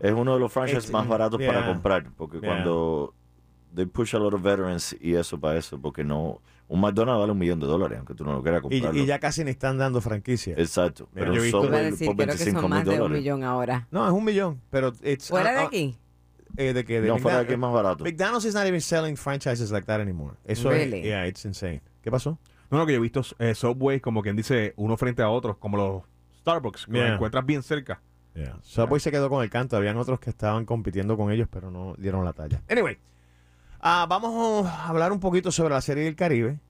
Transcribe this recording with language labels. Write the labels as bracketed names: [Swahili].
[Spanish] Es uno de los franchises más baratos para comprar, porque cuando [English] they push a lot of veterans [Spanish] y eso para eso, porque no, un McDonald's vale $1,000,000, aunque tú no lo quieras comprarlo. Y ya casi ni están dando franquicias. Exacto. Mira, pero yo iba a decir, creo que son más de $1,000,000 ahora. No, es $1,000,000, pero [English] it's... [Spanish] ¿Fuera de aquí? ¿De qué? Fuera de aquí es más barato. [English] McDonald's is not even selling franchises like that anymore. [Spanish] Eso [English] really? Es, yeah, it's insane. [Spanish] ¿Qué pasó? No, lo que yo he visto Subway, como quien dice, uno frente a otro, como los Starbucks, que los encuentras bien cerca. Yeah. Subway se quedó con el canto. Habían otros que estaban compitiendo con ellos, pero no dieron la talla. Anyway. Vamos a hablar un poquito sobre la Serie del Caribe.